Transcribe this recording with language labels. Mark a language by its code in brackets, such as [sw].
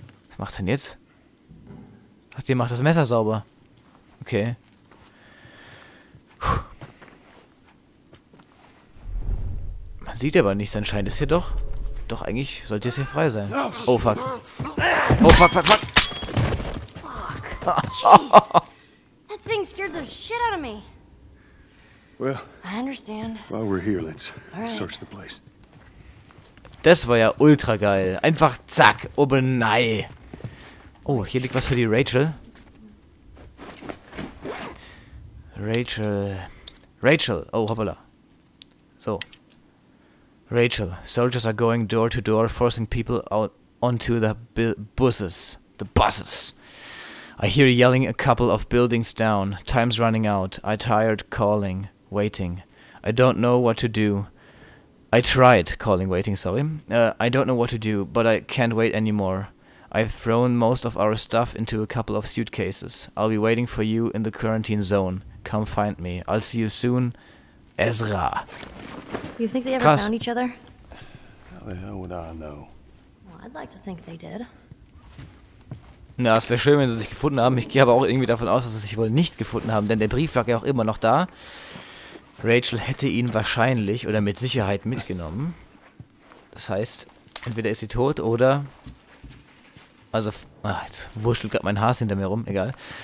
[de] Was macht's denn jetzt? Ach, die macht das Messer sauber. Okay. Puh. Man sieht aber nichts anscheinend. Ist hier doch... Doch, eigentlich sollte es hier frei sein. [en] Oh, fuck. Oh, fuck, fuck, fuck. That thing scared the shit out of me. Well, I understand. While we're here, let's search the place. [de] Das war ja ultra geil. Einfach zack. Oh nein. Oh, hier liegt was für die Rachel. Rachel. Rachel. Oh, hoppala. So. Rachel. [en] Soldiers are going door to door, forcing people out onto the buses. The buses. I hear yelling a couple of buildings down. Time's running out. I tired calling, waiting. I don't know what to do. I tried calling waiting, sorry. I don't know what to do, but I can't wait anymore. I've thrown most of our stuff into a couple of suitcases. I'll be waiting for you in the quarantine zone. Come find me. I'll see you soon. Ezra. You think they ever found each other? How the hell would I know? Well, I'd like to think they did. [de] Na, es wäre schön, wenn sie sich gefunden haben. Ich gehe aber auch irgendwie davon aus, dass sie sich wohl nicht gefunden haben, denn der Brief lag ja auch immer noch da. Rachel hätte ihn wahrscheinlich oder mit Sicherheit mitgenommen. Das heißt, entweder ist sie tot oder... Also, jetzt wurschtelt gerade mein Haar hinter mir rum, egal.